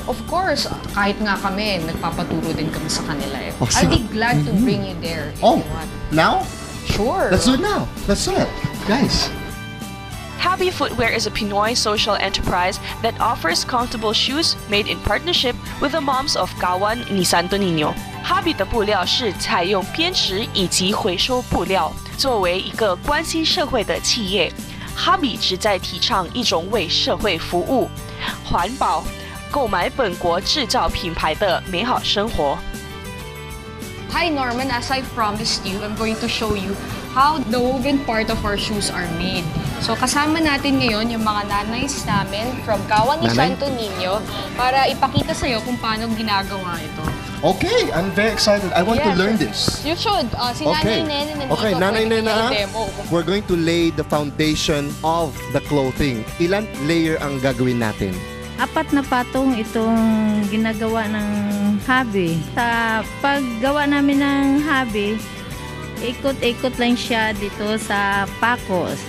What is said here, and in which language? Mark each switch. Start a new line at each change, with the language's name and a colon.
English: Of course.
Filipino: Kahit nga kami, nagpapaturo din kami sa kanila. Eh.
English: Oh, so, I'll be glad to bring you there. Oh, you now? Sure. Let's do it now. Let's do it. Guys. Habi Footwear is a Pinoy social enterprise that offers comfortable shoes made in partnership with the moms of Gawan ni Santo Niño.
Chinese: Habi 的布料是采用编织以及回收布料，作为一个关心社会的企业 ，Habi 旨在提倡一种为社会服务、环保、购买本国制造品牌的美好生活。Hi
English: Norman, as I promised you, I'm going to show you how the woven part of our shoes are made.
Filipino: So kasama natin ngayon yung mga nanays namin from Gawan ni Santo Niño para ipakita sa iyo kung paano ginagawa ito.
English: Okay, I'm very excited. I want to learn this. You should.
Filipino: Si Nanay Nene nandito.
English: Okay, Nanay Nene, we're going to lay the foundation of the clothing.
Filipino: Ilan layer ang gagawin natin? Apat na patong itong ginagawa ng Habi. Sa paggawa namin ng Habi, ikot-ikot lang siya dito sa pakos.